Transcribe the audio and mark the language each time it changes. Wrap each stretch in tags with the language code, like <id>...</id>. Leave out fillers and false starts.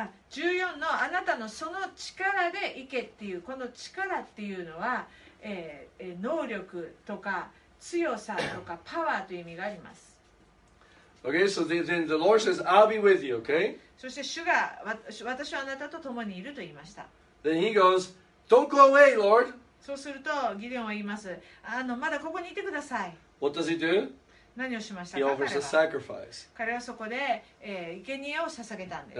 <ja>14のあなたのその力で行けっていうこの力っていうのは、能力とか強さとかパワーという意味があります。</ja> <en>Okay, so then the Lord says, I'll be with you, okay?</en> <ja>そして主が私はあなたと共にいると言いました。</ja> <en>Then he goes,Don't go away, Lord.</en> <ja>そうするとギデオンは言います。あのまだここにいてください。</ja> <en>What does he do?</en> <ja>何をしましたか？</ja> <en>He offers a sacrifice.</en> <ja>彼はそこで、生贄を捧げたんです。</ja>